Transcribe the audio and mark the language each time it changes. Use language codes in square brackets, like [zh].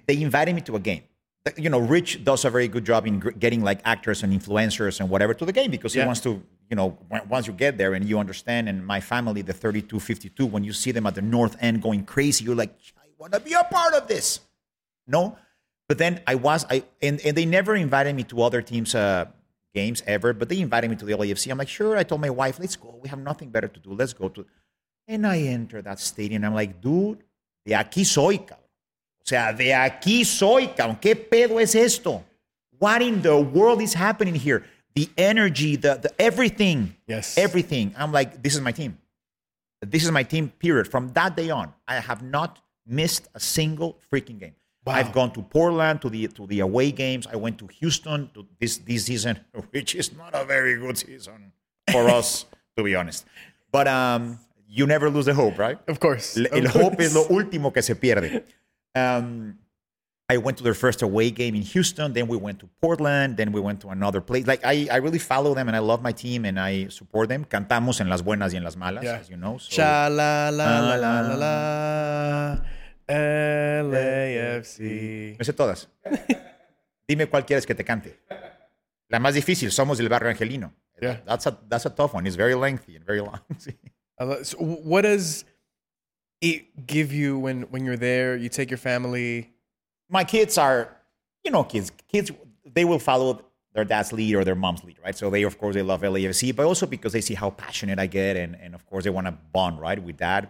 [en] They invited me to a game. You know, Rich does a very good job in getting like actors and influencers and whatever to the game because he wants to, you know, once you get there and you understand, and my family, the 3252, when you see them at the north end going crazy, you're like, I want to be a part of this. No, but then and they never invited me to other teams' games ever, but they invited me to the LAFC. I'm like, sure. I told my wife, let's go. We have nothing better to do. Let's go to. And I enter that stadium. I'm like, dude, [es] de aquí soy, cabrón. O sea, de aquí soy, cabrón. ¿Qué pedo es esto? [en] What in the world is happening here? The energy, the everything. Yes. Everything. I'm like, this is my team. This is my team, period. From that day on, I have not missed a single freaking game. Wow. I've gone to Portland, to the away games. I went to Houston to this season, which is not a very good season for us, to be honest. But you never lose the hope, right? Of course. [es] El hope es lo último que se pierde. [en] I went to their first away game in Houston. Then we went to Portland. Then we went to another place. Like, I really follow them, and I love my team, and I support them. [es] Cantamos en las buenas y en las malas, [en] as you know. So, la la la la la. LAFC. [es] No sé todas. Dime cuál quieres que te cante. La más difícil, Somos del Barrio Angelino. [en] Yeah. That's a tough one. It's very lengthy and very long. So what does it give you when you're there? You take your family? My kids are, you know, kids. Kids, they will follow their dad's lead or their mom's lead, right? So they, of course, they love LAFC, but also because they see how passionate I get, and of course, they want to bond, right, with dad.